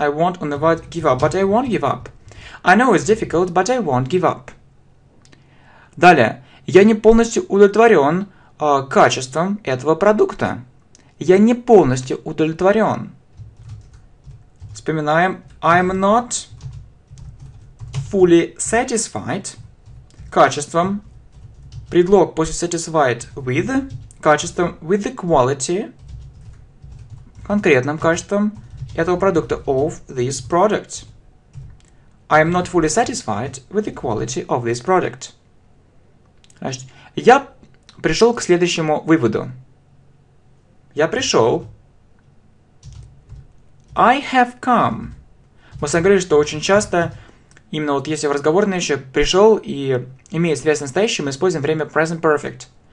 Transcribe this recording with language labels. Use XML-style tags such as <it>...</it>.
<en>I won't give up, but I won't give up. I know it's difficult, but I won't give up.</en> <ru>Далее. Я не полностью удовлетворен качеством этого продукта. Я не полностью удовлетворен. Вспоминаем.</ru> <en>I'm not fully satisfied качеством.</en> <ru>Предлог после satisfied with. Качеством</ru> <en>with the quality.</en> <ru>Конкретным качеством этого продукта.</ru> <en>Of this product. I'm not fully satisfied with the quality of this product.</en> <ru>Значит, я пришел к следующему выводу. Я пришел.</ru> <en>I have come.</en> <ru>Мы с вами говорили, что очень часто, именно вот если в разговорной еще пришел и имеет связь с настоящим, мы используем время present perfect.</ru>